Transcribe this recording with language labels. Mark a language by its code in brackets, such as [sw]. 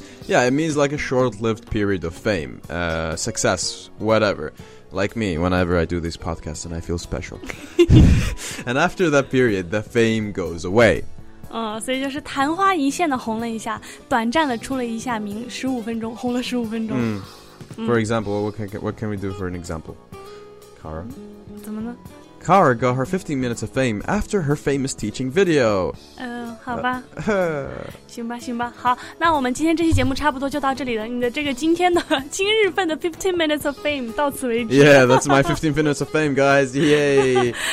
[en] Yeah, it means like a short-lived period of fame, success, whatever. Like me, whenever I do these podcasts and I feel special. And after that period, the fame goes away. [zh] 所以就是昙花一现的红了一下，短暂的出了一下名，15分钟，红了15分钟。 [en] 嗯。For example, what can we do for an example? Kara. [zh] 怎么呢? [en] Kara got her 15 minutes of fame after her famous teaching video. [zh] 好吧。行吧，行吧。好，那我们今天这期节目差不多就到这里了。你的这个今天的今日份的 15 minutes of fame 到此为止。 [en] Yeah, that's my 15 minutes of fame, guys. Yay!